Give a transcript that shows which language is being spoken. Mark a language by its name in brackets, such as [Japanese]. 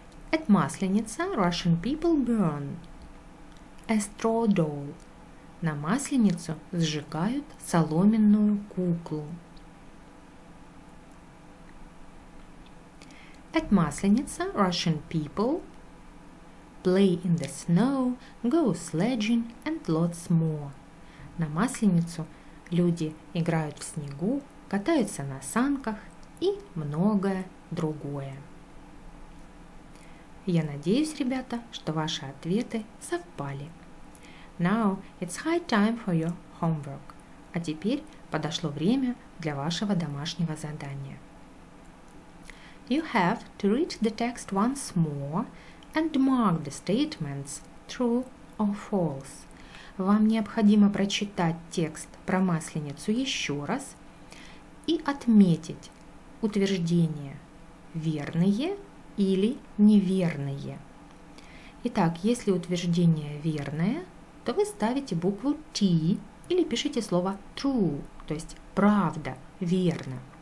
[English] At Масленица Russian people burn a straw doll. [Russian] На Масленицу сжигают соломенную куклу. [English] At Масленица Russian people play in the snow, go sledging and lots more. [Russian] На Масленицу люди играют в снегу, катаются на санках и многое другое. Я надеюсь, ребята, что ваши ответы совпали. [English] Now it's high time for your homework. [Russian] А теперь подошло время для вашего домашнего задания. [English] You have to read the text once more and mark the statements true or false. [Russian] Вам необходимо прочитать текст про Масленицу еще раз и отметить утверждения, верные или неверные. Итак, если утверждение верное, то вы ставите букву T или пишите слово true, то есть правда, верно.